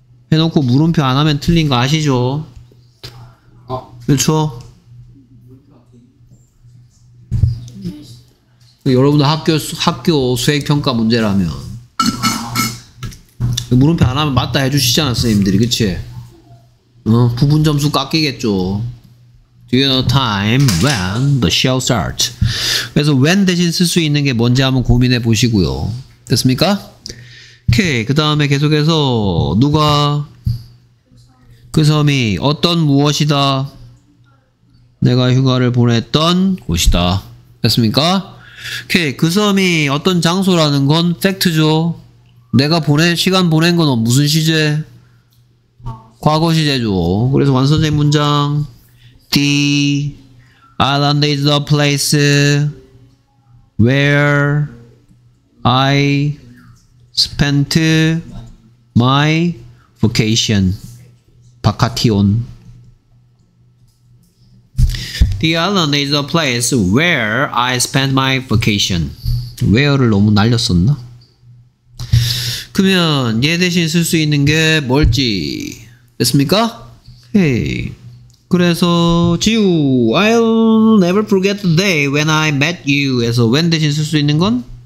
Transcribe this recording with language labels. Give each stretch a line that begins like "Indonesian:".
Korean: 해놓고 물음표 안 하면 틀린 거 아시죠? 그렇죠? 여러분들 학교 수행평가 문제라면 물음표 안 하면 맞다 해주시잖아 선생님들이, 그치? 부분 점수 깎이겠죠.
English: Do you know time when the show starts?
Korean: 그래서 when 대신 쓸 수 있는 게 뭔지 한번 고민해 보시고요. 됐습니까? 오케이. 그 다음에 계속해서 누가 그 섬이 어떤 무엇이다? 내가 휴가를 보냈던 곳이다. 됐습니까? 오케이. 그 섬이 어떤 장소라는 건 팩트죠. 내가 시간 보낸 건 무슨 시제? 과거 시제죠. 그래서 완성된 문장
English: The island is the place where I spent my vacation. 바카티온. The island is the place where I spent my vacation.
Korean: Where를 너무 날렸었나? 그러면 얘 대신 쓸 수 있는 게 뭘지? 됐습니까? 헤이. 그래서 지우
English: I'll never forget the day when I met you
Korean: 에서 when 대신 쓸 수 있는 건?